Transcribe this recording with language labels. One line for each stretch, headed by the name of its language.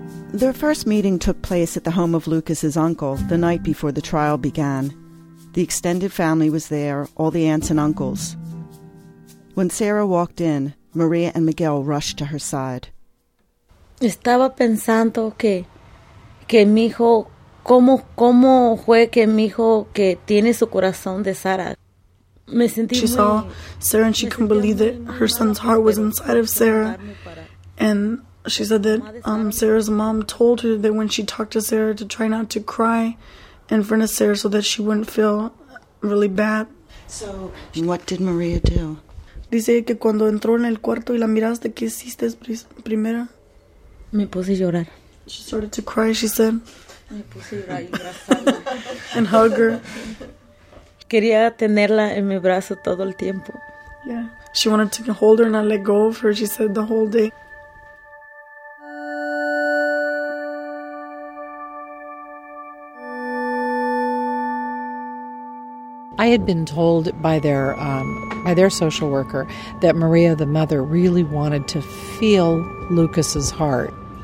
English: Their first meeting took place at the home of Lucas's uncle the night before the trial began. The extended family was there, all the aunts and uncles. When Sarah walked in, Maria and Miguel rushed to her side.
Spanish: Estaba pensando que mi hijo, cómo fue que mi hijo que tiene su corazón de Sarah.
English: She saw Sarah and she couldn't believe that her son's heart was inside of Sarah. And she said that Sarah's mom told her that when she talked to Sarah to try not to cry in front of Sarah so that she wouldn't feel really bad. So what did Maria do?
Spanish: Dice que cuando entró en el cuarto y la miraste, ¿qué hiciste primero? Me puse a llorar.
English: She started to cry, she said.
Spanish: Me puse a llorar.
English: And hug her.
Spanish: Quería tenerla en mi brazo todo el tiempo.
English: Yeah. She wanted to hold her and not let go of her, she said, the whole day. I had been told by their social worker that Maria, the mother, really wanted to feel Lucas's heart.